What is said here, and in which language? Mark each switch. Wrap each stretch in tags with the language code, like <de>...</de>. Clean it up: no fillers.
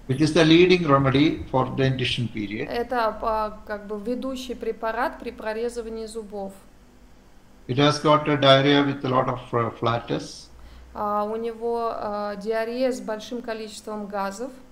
<en>Which is the leading remedy for dentition period.</en> <ru>Это как бы ведущий препарат при прорезывании зубов.</ru> <en>It has got a diarrhea with a lot of flatus.</en> <ru>У него диарея с большим количеством газов.</ru>